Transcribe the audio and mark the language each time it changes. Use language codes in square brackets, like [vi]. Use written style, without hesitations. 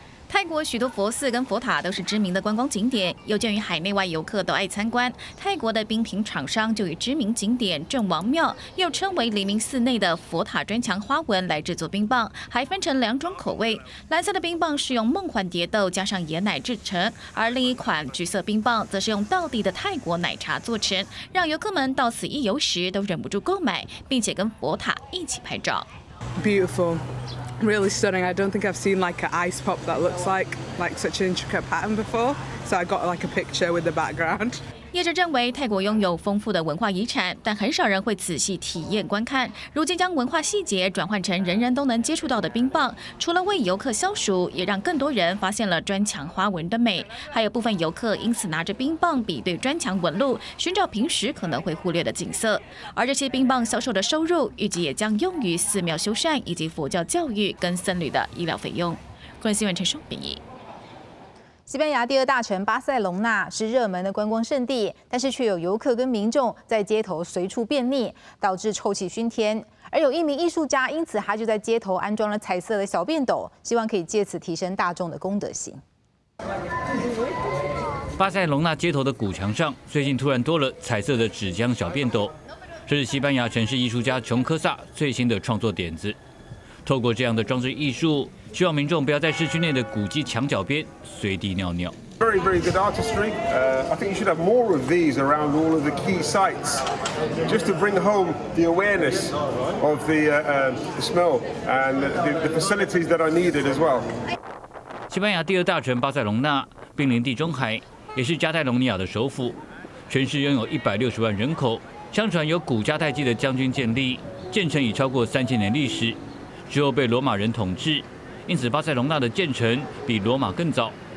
[zh] 泰国许多佛寺跟佛塔都是知名的观光景点，有鉴于海内外游客都爱参观，泰国的冰品厂商就以知名景点郑王庙，又称为黎明寺内的佛塔砖墙花纹来制作冰棒，还分成两种口味。蓝色的冰棒是用梦幻蝶豆加上椰奶制成，而另一款橘色冰棒则是用道地的泰国奶茶做成，让游客们到此一游时都忍不住购买，并且跟佛塔一起拍照。 [en] Beautiful. Really stunning. I don't think I've seen like an ice pop that looks like such an intricate pattern before. So I got like a picture with the background. [zh] 业者认为，泰国拥有丰富的文化遗产，但很少人会仔细体验观看。如今将文化细节转换成人人都能接触到的冰棒，除了为游客消暑，也让更多人发现了砖墙花纹的美。还有部分游客因此拿着冰棒比对砖墙纹路，寻找平时可能会忽略的景色。而这些冰棒销售的收入，预计也将用于寺庙修缮以及佛教教育跟僧侣的医疗费用。关心完陈双秉义。西班牙第二大城巴塞隆纳是热门的观光胜地，但是却有游客跟民众在街头随处便溺，导致臭气熏天。而有一名艺术家，因此他就在街头安装了彩色的小便斗，希望可以借此提升大众的公德心。巴塞隆纳街头的古墙上，最近突然多了彩色的纸浆小便斗，这是西班牙城市艺术家琼科萨最新的创作点子。透过这样的装置艺术，希望民众不要在市区内的古迹墙角边随地尿尿。 [en] Very, very good artistry. I think you should have more of these around all of the key sites, just to bring home the awareness of the smell and the facilities that are needed as well. [zh] 西班牙第二大城巴塞隆纳，濒临地中海，也是加泰隆尼亚的首府。全市拥有160万人口，相传由古迦太基的将军建立，建成已超过3000年历史。之后被罗马人统治，因此巴塞隆纳的建成比罗马更早。